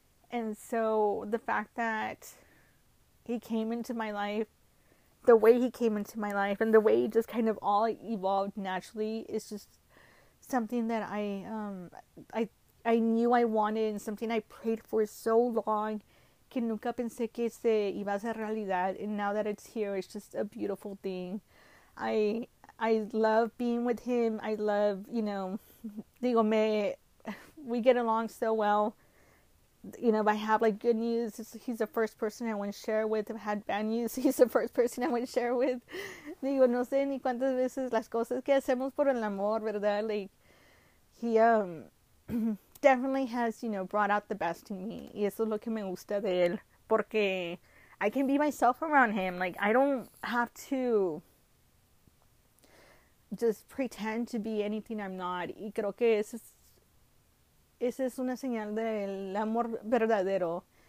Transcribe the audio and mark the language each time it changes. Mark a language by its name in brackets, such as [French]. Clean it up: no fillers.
[English] And so, the fact that he came into my life, the way he came into my life, and the way he just kind of all evolved naturally is just something that I knew I wanted and something I prayed for so long. [Spanish] Que nunca pensé que se iba a ser realidad. [English] And now that it's here, it's just a beautiful thing. I love being with him. I love, you know, digo, we get along so well. You know, if I have, like, good news, he's the first person I want to share with. If I had bad news, he's the first person I want to share with. [Spanish] Digo, no sé ni cuántas veces las cosas que hacemos por el amor, ¿verdad? [English] Like, he definitely has, you know, brought out the best in me. [Spanish] Y eso es lo que me gusta de él. [English] Porque I can be myself around him. Like, I don't have to just pretend to be anything I'm not. [Spanish] Y creo que esa es una señal del amor verdadero.